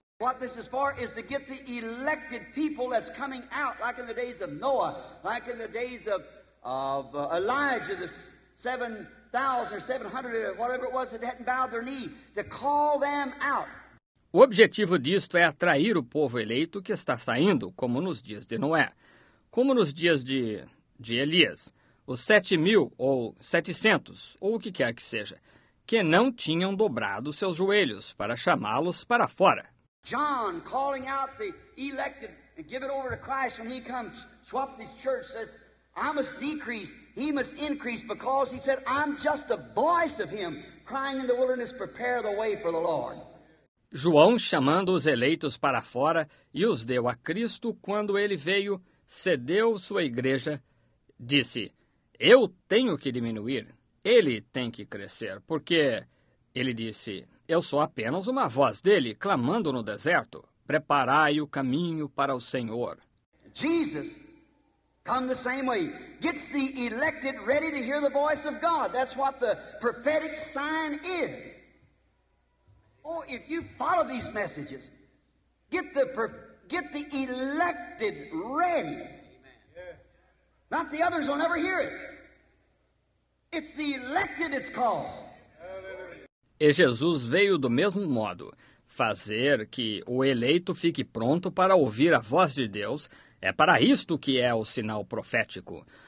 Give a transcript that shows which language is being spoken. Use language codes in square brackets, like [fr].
[en] What this is for is to get the elected people that's coming out, like in the days of Noah, like in the days of Elijah, the 7,000 or 700, whatever it was that hadn't bowed their knee, to call them out. [pt] O objetivo disto é atrair o povo eleito que está saindo, como nos dias de Noé, como nos dias de Elias, os 7.000 ou 700, ou o que quer que seja, que não tinham dobrado seus joelhos para chamá-los para fora. [en] John calling out the elected and give it over to Christ when he comes, swap this church, says, I must decrease, he must increase, because he said, I'm just a voice of him crying in the wilderness, prepare the way for the Lord. [pt] João chamando os eleitos para fora e os deu a Cristo quando ele veio, cedeu sua igreja, disse, eu tenho que diminuir, ele tem que crescer, porque ele disse, eu sou apenas uma voz dele clamando no deserto, preparai o caminho para o Senhor. [en] Jesus, come the same way, gets the elected ready to hear the voice of God. That's what the prophetic sign is. Oh, if you follow these messages, get the elected ready. Not the others will never hear it. It's the elected it's called. [pt] E Jesus veio do mesmo modo. Fazer que o eleito fique pronto para ouvir a voz de Deus é para isto que é o sinal profético.